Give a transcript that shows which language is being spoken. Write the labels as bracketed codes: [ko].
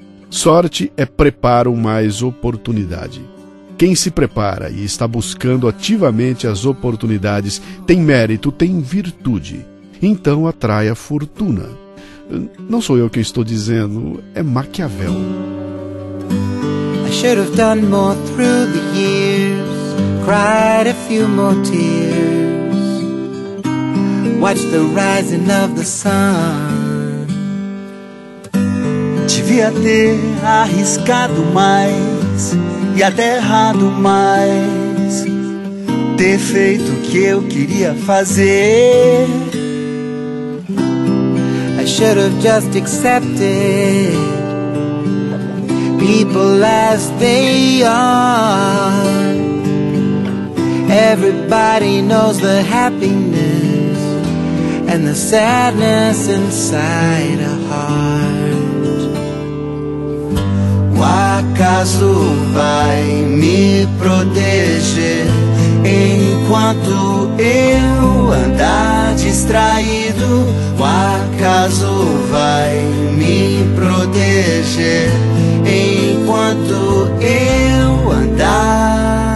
[pt] Sorte é preparo mais oportunidade. Quem se prepara e está buscando ativamente as oportunidades tem mérito, tem virtude. Então atrai a fortuna. Não sou eu quem estou dizendo, é Maquiavel. [en] I should have done more through the years, cried a few more tears, watched the rising of the sun. [pt] Devia ter arriscado mais e até errado mais, ter feito o que eu queria fazer. [en] Should have just accepted people as they are. Everybody knows the happiness and the sadness inside a heart. [pt] O acaso vai me proteger enquanto eu andar distraído. O acaso vai me proteger enquanto eu andar.